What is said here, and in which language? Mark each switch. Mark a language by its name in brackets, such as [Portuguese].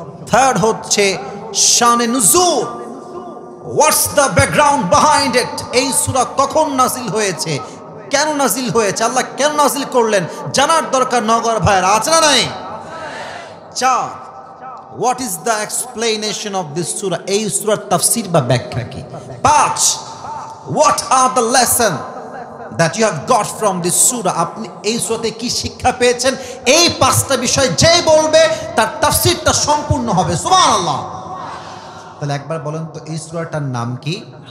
[Bangla] Third হচ্ছে শানে নুজুল, [English] what's the background behind it, [Bangla] এই সূরা কখন নাজিল হয়েছে, কেন নাজিল হয়েছে, আল্লাহ কেন নাজিল করলেন জানার দরকার নগর ভাইয়েরা আছে না নাই? চার, [English] what is the explanation of this surah, [Bangla] এই সূরার তাফসীর বা ব্যাখ্যা কি? [English] পাঁচ, What are the lesson that you have got from this surah? [Bangla] আপনি এই সূরাতে কি শিক্ষা পেয়েছেন? এই পাঁচটা বিষয় যেই বলবে তার তাফসীরটা সম্পূর্ণ হবে। সুবহানাল্লাহ। তাহলে একবার বলেন তো এই সূরাটার নাম কি?